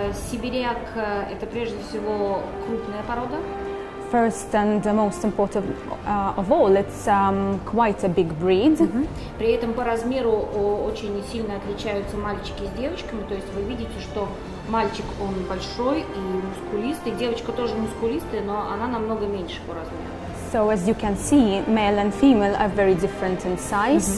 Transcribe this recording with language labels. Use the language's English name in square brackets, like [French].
[Russian] Сибиряк – это прежде всего крупная порода. [English] First and most important of all, it's quite a big breed. [Russian] При этом по размеру очень сильно отличаются мальчики с девочками. То есть вы видите, что мальчик он большой и мускулистый, девочка тоже мускулистая, но она намного меньше по размеру. [English] So as you can see, male and female are very different in size.